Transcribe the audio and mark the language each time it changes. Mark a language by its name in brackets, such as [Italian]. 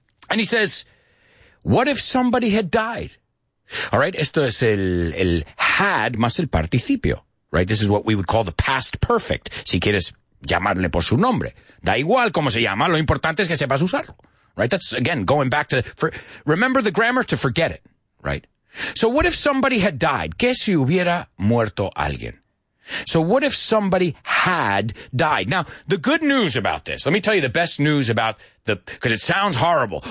[English] And he says, what if somebody had died? All right? [Spanish] Esto es el had más el participio, right? [English] This is what we would call the past perfect. [Spanish] Si quieres llamarle por su nombre. Da igual cómo se llama. Lo importante es que sepas usarlo. [English] Right? That's, again, going back to, remember the grammar to forget it, right? So what if somebody had died? [Spanish] ¿Qué si hubiera muerto alguien? [English] So what if somebody had died? Now, the good news about this, let me tell you the best news about the, because it sounds horrible.